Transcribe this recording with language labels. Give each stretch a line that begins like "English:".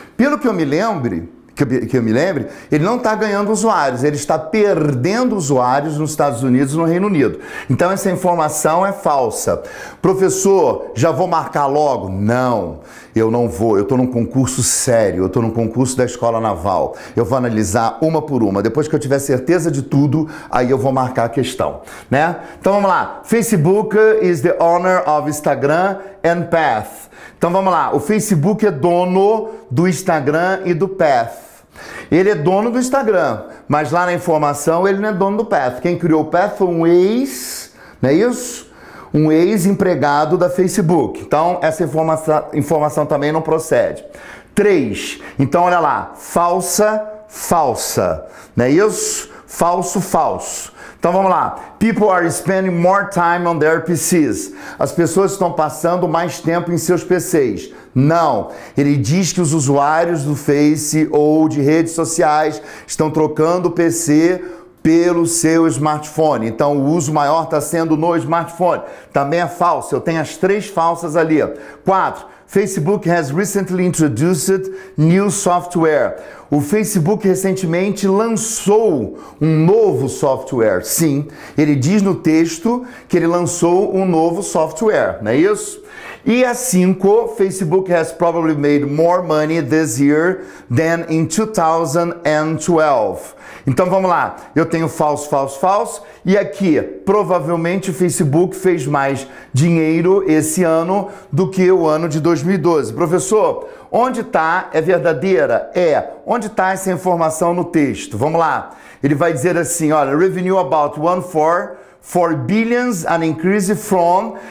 Portuguese: Pelo que eu me lembre, ele não está ganhando usuários, ele está perdendo usuários nos Estados Unidos e no Reino Unido. Então essa informação é falsa. Professor, já vou marcar logo? Não, eu não vou, eu estou num concurso sério, eu estou num concurso da Escola Naval. Eu vou analisar uma por uma, depois que eu tiver certeza de tudo, aí eu vou marcar a questão, né? Então vamos lá,
English: Facebook is the owner of Instagram and Path.
Portuguese: Então vamos lá, o Facebook é dono do Instagram e do Path. Ele é dono do Instagram, mas lá na informação ele não é dono do Path. Quem criou o Path foi um ex, não é isso? Um ex-empregado da Facebook. Então essa informação também não procede. 3, então olha lá, falsa, falsa, não é isso? Falso, falso. Então vamos lá.
English: People are spending more time on their PCs.
Portuguese: As pessoas estão passando mais tempo em seus PCs. Não. Ele diz que os usuários do Face ou de redes sociais estão trocando o PC pelo seu smartphone. Então o uso maior está sendo no smartphone. Também é falso. Eu tenho as três falsas ali. 4.
English: Facebook has recently introduced new software.
Portuguese: O Facebook recentemente lançou um novo software. Sim, ele diz no texto que ele lançou um novo software, não é isso? E a 5,
English: Facebook has probably made more money this year than in 2012.
Portuguese: Então vamos lá, eu tenho falso, falso, falso. E aqui, provavelmente o Facebook fez mais dinheiro esse ano do que o ano de 2012. Professor, onde está? É verdadeira? É. Onde está essa informação no texto? Vamos lá. Ele vai dizer assim, olha,
English: revenue about 1.4 billions, an increase from.